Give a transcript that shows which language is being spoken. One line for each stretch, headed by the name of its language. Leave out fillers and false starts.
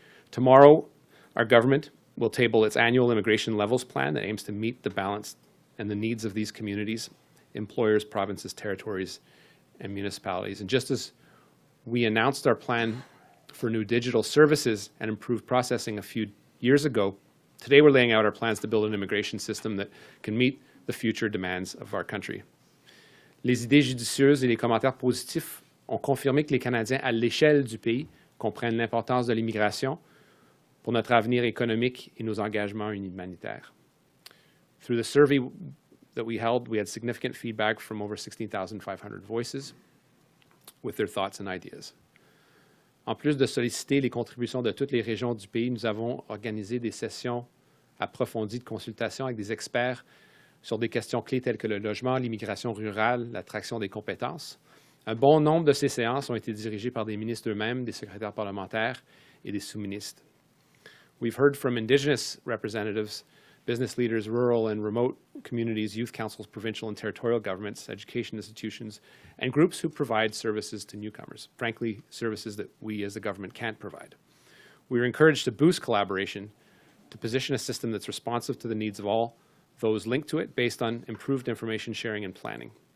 English: Tomorrow, our government will table its annual immigration levels plan that aims to meet the balance and the needs of these communities, employers, provinces, territories, and municipalities. And just as we announced our plan for new digital services and improved processing a few years ago, today we're laying out our plans to build an immigration system that can meet the future demands of our country.
French: Les idées judicieuses et les commentaires positifs ont confirmé que les Canadiens à l'échelle du pays comprennent l'importance de l'immigration pour notre avenir économique et nos engagements humanitaires.
English: Through the survey that we held, we had significant feedback from over 16,500 voices with their thoughts and ideas.
French: En plus de solliciter les contributions de toutes les régions du pays, nous avons organisé des sessions approfondies de consultation avec des experts sur des questions clés telles que le logement, l'immigration rurale, l'attraction des compétences. Un bon nombre de ces séances ont été dirigées par des ministres eux-mêmes, des secrétaires parlementaires et des sous-ministres.
English: We've heard from Indigenous representatives, business leaders, rural and remote communities, youth councils, provincial and territorial governments, education institutions, and groups who provide services to newcomers, frankly, services that we as a government can't provide. We are encouraged to boost collaboration to position a system that's responsive to the needs of all those linked to it based on improved information sharing and planning.